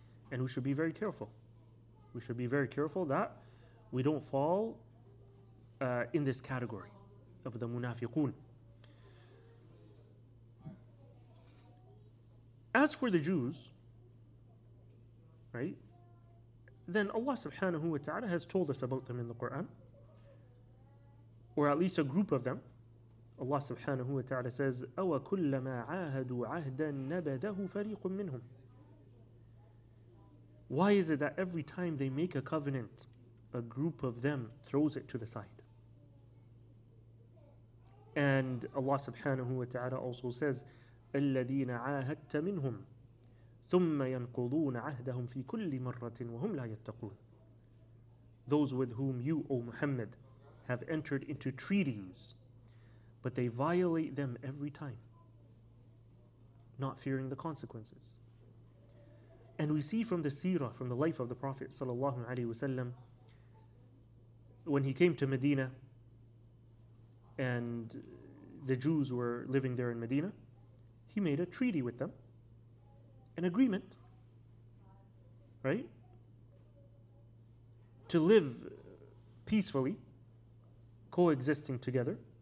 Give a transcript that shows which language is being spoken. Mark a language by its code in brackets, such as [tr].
[en] And we should be very careful. We should be very careful that we don't fall in this category of the munafiqun. As for the Jews, right, then Allah subhanahu wa ta'ala has told us about them in the Quran, or at least a group of them. Allah subhanahu wa ta'ala says, [ar] أَوَ كُلَّمَا عَاهَدُوا عَهْدًا نَبَدَهُ فَرِيقٌ مِّنْهُمْ. [en] Why is it that every time they make a covenant, a group of them throws it to the side? And Allah subhanahu wa ta'ala also says, [ar] الَّذِينَ عَاهَدْتَ مِنْهُمْ ثُمَّ يَنْقُضُونَ عَهْدَهُمْ فِي كُلِّ مَرَّةٍ وَهُمْ لَا يَتَّقُونَ. [en] Those with whom you, O Muhammad, have entered into treaties, but they violate them every time, not fearing the consequences. And we see from the seerah, from the life of the Prophet sallallahu alaihi wasallam, when he came to Medina and the Jews were living there in Medina, he made a treaty with them, an agreement, right, to live peacefully, coexisting together.